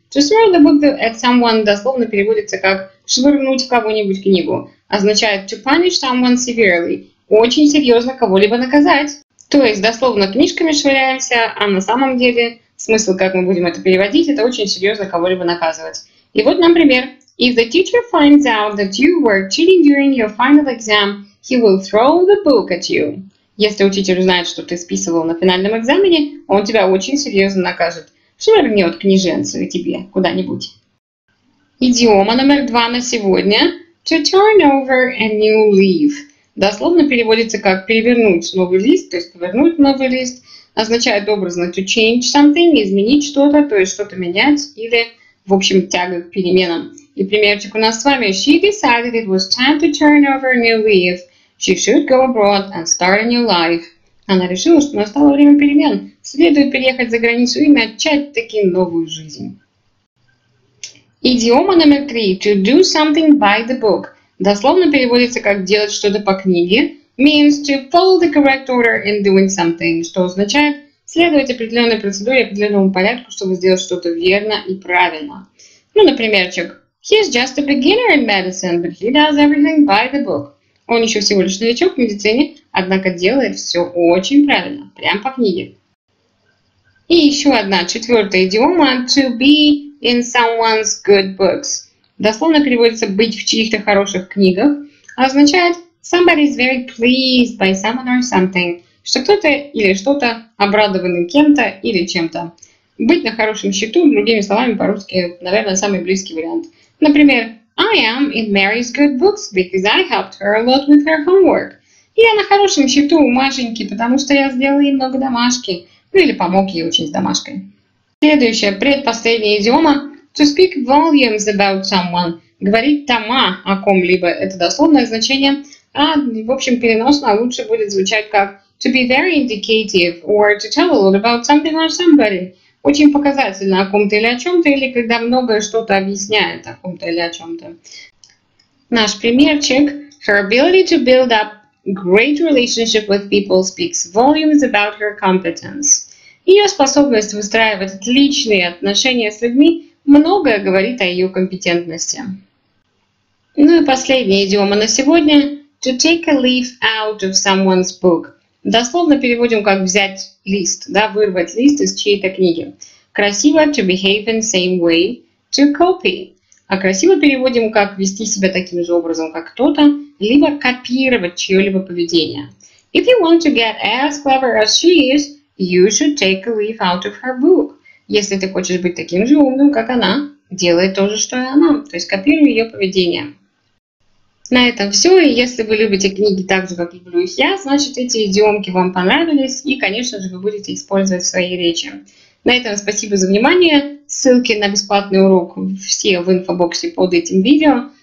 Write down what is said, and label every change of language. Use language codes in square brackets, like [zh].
[en] «To throw the book at someone» [ru] дословно переводится как «швырнуть в кого-нибудь книгу». Означает [en] «to punish someone severely» [ru] – «очень серьезно кого-либо наказать». То есть, дословно, книжками швыряемся, а на самом деле смысл, как мы будем это переводить, это очень серьезно кого-либо наказывать. И вот, например, [en] if the teacher finds out that you were cheating during your final exam, he will throw the book at you. [ru] Если учитель узнает, что ты списывал на финальном экзамене, он тебя очень серьезно накажет. Швырнет книженцу тебе куда-нибудь. Идиома номер два на сегодня. [en] To turn over a new leaf. [ru] Дословно переводится как «перевернуть новый лист», то есть «повернуть новый лист». Означает образно [en] «to change something», [ru] «изменить что-то», то есть «что-то менять» или, в общем, «тяга к переменам». И примерчик у нас с вами. [en] She decided it was time to turn over a new leaf. She should go abroad and start a new life. [ru] Она решила, что настало время перемен. Следует переехать за границу и начать таки новую жизнь. Идиома номер три. [en] To do something by the book. [ru] Дословно переводится как «делать что-то по книге» [en] means to follow the correct order in doing something, [ru] что означает следовать определенной процедуре, определенному порядку, чтобы сделать что-то верно и правильно. Ну, примерчик. [en] He's just a beginner in medicine, but he does everything by the book. [ru] Он еще всего лишь новичок в медицине, однако делает все очень правильно, прям по книге. И еще одна, четвертая идиома [en] «to be in someone's good books». [ru] Дословно переводится «быть в чьих-то хороших книгах», а означает [en] «somebody is very pleased by someone or something», [ru] что кто-то или что-то обрадованы кем-то или чем-то. «Быть на хорошем счету», другими словами, по-русски, наверное, самый близкий вариант. Например, [en] «I am in Mary's good books because I helped her a lot with her homework». [ru] «Я на хорошем счету у Машеньки, потому что я сделала ей много домашки», ну или «помог ей учить с домашкой». Следующая, предпоследняя идиома – [en] to speak volumes about someone. [ru] Говорить тома о ком-либо – это дословное значение. А, в общем, переносно лучше будет звучать как [en] to be very indicative or to tell a lot about something or somebody. [ru] Очень показательно о ком-то или о чем-то, или когда многое что-то объясняет о ком-то или о чем-то. Наш примерчик. [en] Her ability to build up great relationship with people speaks volumes about her competence. [ru] Ее способность выстраивать отличные отношения с людьми многое говорит о ее компетентности. Ну и последняя идиома на сегодня. [en] To take a leaf out of someone's book. [ru] Дословно переводим как взять лист, да, вырвать лист из чьей-то книги. Красиво [en] to behave in same way, to copy. [ru] А красиво переводим как вести себя таким же образом, как кто-то, либо копировать чье-либо поведение. [en] If you want to get as clever as she is, you should take a leaf out of her book. [ru] Если ты хочешь быть таким же умным, как она, делай то же, что и она, то есть копируй ее поведение. На этом все. И если вы любите книги так же, как люблю их я, значит, эти идиомки вам понравились и, конечно же, вы будете использовать в своей речи. На этом спасибо за внимание. Ссылки на бесплатный урок все в инфобоксе под этим видео.